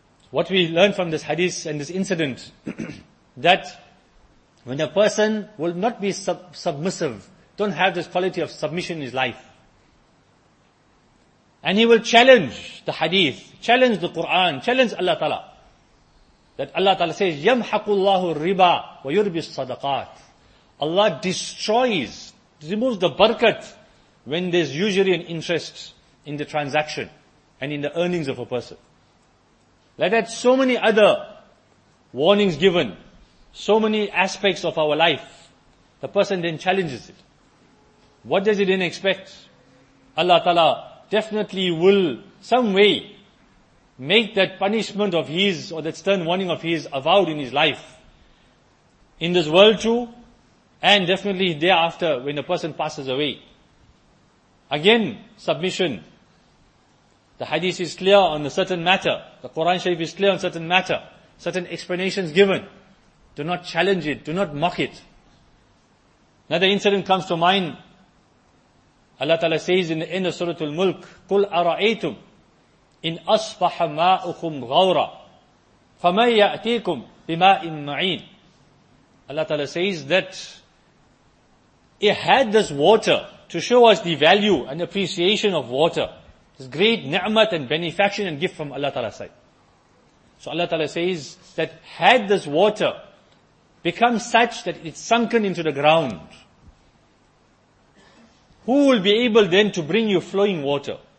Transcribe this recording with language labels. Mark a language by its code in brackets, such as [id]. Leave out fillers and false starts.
[en] What we learn from this hadith and this incident, that when a person will not be submissive, don't have this quality of submission in his life, and he will challenge the hadith, challenge the Quran, challenge Allah Ta'ala. [ar] That Allah Ta'ala says, يَمْحَقُ اللَّهُ الرِّبَى وَيُرْبِي الصَّدَقَاتِ. [en] Allah destroys, removes the barakat when there's usually an interest in the transaction and in the earnings of a person. Like that, so many other warnings given, so many aspects of our life, the person then challenges it. What does he then expect? Allah Ta'ala definitely will some way make that punishment of his or that stern warning of his avowed in his life, in this world too, and definitely thereafter when the person passes away. Again, submission. The hadith is clear on a certain matter. The Quran Sharif is clear on certain matter. Certain explanations given. Do not challenge it. Do not mock it. Another incident comes to mind. [ar] Allah Ta'ala says in the end of Surah Al-Mulk, قُلْ أَرَأَيْتُمْ إِنْ أَصْبَحَ مَاءُكُمْ غَوْرًا فَمَنْ يَأْتِيكُمْ بِمَاءٍ مَعِينٍ. [en] Allah Ta'ala says that it had this water to show us the value and appreciation of water. This great ni'mat and benefaction and gift from Allah Ta'ala's side. So Allah Ta'ala says that had this water become such that it's sunken into the ground, who will be able then to bring you flowing water?